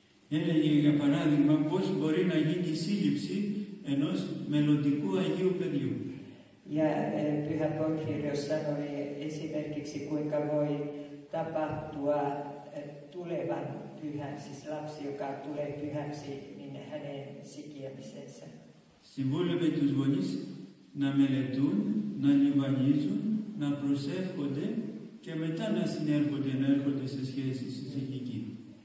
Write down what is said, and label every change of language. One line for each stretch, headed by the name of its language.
Greek: Έλεγε για παράδειγμα, πώς μπορεί να γίνει σύλληψη ενός μελλοντικού Αγίου παιδιού.
Finnish: Ja Pyhä Πορφύριος sanoi esimerkiksi, kuinka voi tapahtua tulevan pyhäksi, lapsi, joka tulee pyhäksi, niin hänen sikiämisensä.
Greek: Συμβούλευε τους γονείς να μελετούν, να λιβανίζουν, να προσεύχονται και μετά να συνέρχονται, να έρχονται σε σχέση συζυγική.